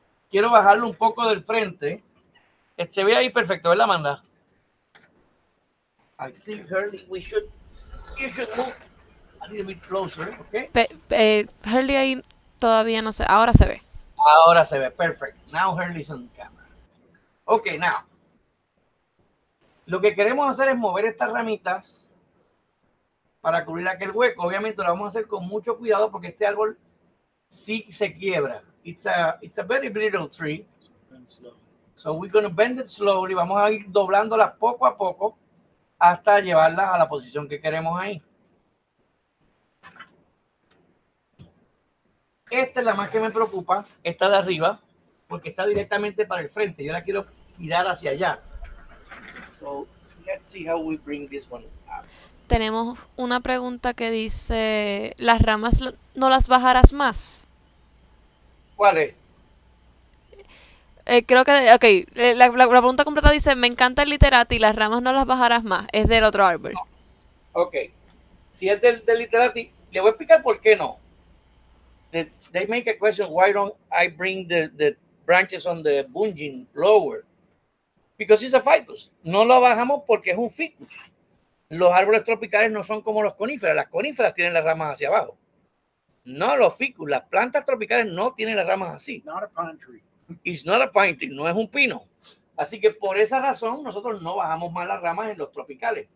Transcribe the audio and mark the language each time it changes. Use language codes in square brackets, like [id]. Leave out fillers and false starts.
[es] Quiero bajarlo un poco del frente. Se ve ahí perfecto, ¿verdad, Amanda? [en] I think, Hurley, we should, you should move a little bit closer, okay? [es] Hurley ahí todavía no se, ahora se ve. Ahora se ve, [en] perfect. Now Hurley's on camera. Okay, now. [es] Lo que queremos hacer es mover estas ramitas para cubrir aquel hueco. Obviamente lo vamos a hacer con mucho cuidado porque este árbol sí se quiebra. [en] It's a very brittle tree. So we're going to bend it slowly. [es] Vamos a ir doblándolas poco a poco hasta llevarlas a la posición que queremos ahí. Esta es la más que me preocupa, esta de arriba, porque está directamente para el frente. Yo la quiero girar hacia allá. [en] So let's see how we bring this one up. [es] Tenemos una pregunta que dice, ¿las ramas no las bajarás más? ¿Cuál es? Creo que, ok, la pregunta completa dice, me encanta el Literati, las ramas no las bajarás más, es del otro árbol. No. Ok, si es del Literati, le voy a explicar por qué no. [en] They make a question, why don't I bring the branches on the bunging lower? Because it's a ficus, [es] no lo bajamos porque es un ficus. Los árboles tropicales no son como las coníferas tienen las ramas hacia abajo. No, los ficus, las plantas tropicales no tienen las ramas así. [en] Not a pine tree. It's not a pine tree, [es] no es un pino. Así que por esa razón nosotros no bajamos más las ramas en los tropicales.